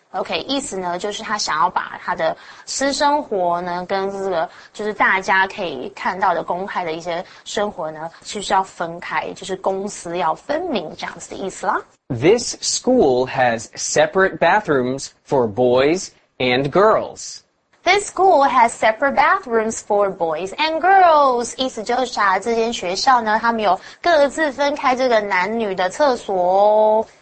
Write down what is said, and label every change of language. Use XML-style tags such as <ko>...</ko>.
<zh>OK, 意思呢就是他想要把他的私生活呢跟这个就是大家可以看到的公开的一些生活呢其实要分开，就是公私要分明这样子的意思啦。</zh> <en>This school has separate bathrooms for boys and girls. This school has separate bathrooms for boys and girls.</en> <zh>意思就是啊，这间学校呢他们有各自分开这个男女的厕所哦。</zh>